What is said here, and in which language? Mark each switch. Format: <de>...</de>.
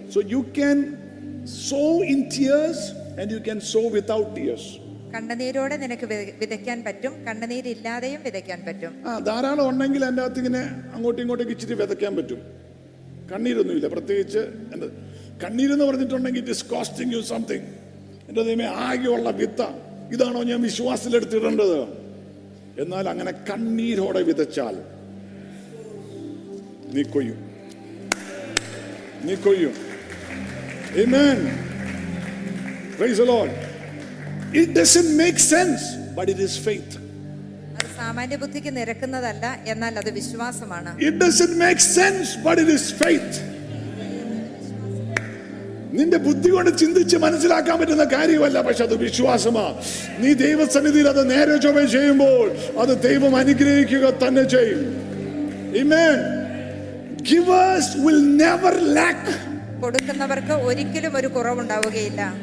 <en>So you can sow in tears and you can sow without tears.</en> <ml>കണ്ണുനീരോടെ നിനക്ക് വിതയ്ക്കാൻ പറ്റും, കണ്ണുനീരില്ലാതെയും വിതയ്ക്കാൻ പറ്റും. ആ ധാരാളം ഉണ്ടെങ്കിൽ എൻ്റെ അകത്ത് ഇങ്ങനെ അങ്ങോട്ടും ഇങ്ങോട്ടും ഇച്ചിരി വിതയ്ക്കാൻ പറ്റും. കണ്ണീരൊന്നുമില്ല പ്രത്യേകിച്ച്. എൻ്റെ കണ്ണീരെന്ന് പറഞ്ഞിട്ടുണ്ടെങ്കിൽ</ml> <en>It is costing you something.</en> <ml>എൻ്റെ ദൈവമേ, ആകെയുള്ള വിത്ത് ഇതാണോ ഞാൻ വിശ്വാസത്തിലെടുത്തിടേണ്ടത്? എന്നാൽ അങ്ങനെ കണ്ണീരോടെ വിതച്ചാൽ നീ കൊയ്യും, നീ കൊയ്യും. ആമേൻ.</ml> <en>Praise the lord. It doesn't make sense, but it is faith.</en> <ml>സാമാന്യ ബുദ്ധിക്ക് നിരക്കുന്നതല്ല, എന്നാൽ അത് വിശ്വാസമാണ്.</ml> <en>It doesn't make sense, but it is faith.</en> <ml>നിന്റെ ബുദ്ധി കൊണ്ട് ചിന്തിച്ച് മനസ്സിലാക്കാൻ പറ്റുന്ന കാര്യമല്ല, പക്ഷെ അത് വിശ്വാസമാ. നീ ദൈവസന്നിധിയിൽ അത് നേരെ ചൊവ്വ ചെയ്യുമ്പോൾ അത് ദൈവം അനുഗ്രഹിക്കുക തന്നെ ചെയ്യും. ആമേൻ.</ml> <en>Givers will never lack.</en> <ml>കൊടുക്കുന്നവർക്ക് ഒരിക്കലും ഒരു കുറവുണ്ടാവുകയില്ല.</ml>